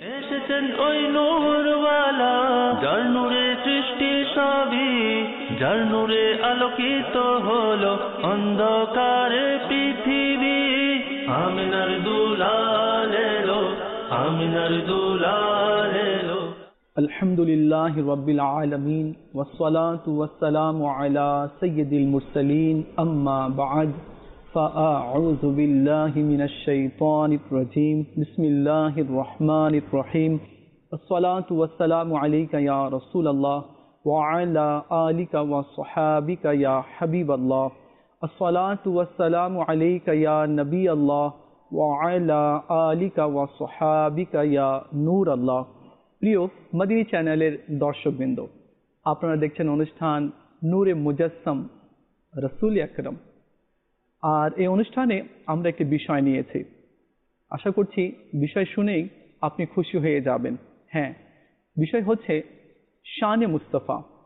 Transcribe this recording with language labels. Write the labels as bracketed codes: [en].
[bn] এসেছেন ওই নূরওয়ালা, যার নূরে সৃষ্টি সবই, যার নূরে আলোকিত হলো অন্ধকার পৃথিবী। আমিনার দুলাল এলো, আমিনার দুলাল এলো। [ar] আলহামদুলিল্লাহ রাব্বিল আলামিন, ওয়াসসালাতু ওয়াসসালামু আলা সাইয়্যিদিল মুরসালিন, আম্মা বা'দ। فأعوذ بالله من الشيطان الرجيم، بسم الله الرحمن الرحيم، الصلاة والسلام عليك يا رسول الله وعلى آلك وصحابك يا حبيب الله، الصلاة والسلام عليك يا نبي الله وعلى آلك وصحابك يا نور الله। [bn] প্রিয় মদিনী চ্যানেলের দর্শকবৃন্দ, আপনারা দেখছেন অনুষ্ঠান নূরে মুজাসসাম রাসূল আকরাম। আর এই অনুষ্ঠানে আমরা একটি বিষয় নিয়েছি, আশা করছি বিষয় শুনেই আপনি খুশি হয়ে যাবেন। হ্যাঁ, বিষয় হচ্ছে শানে মুস্তফা।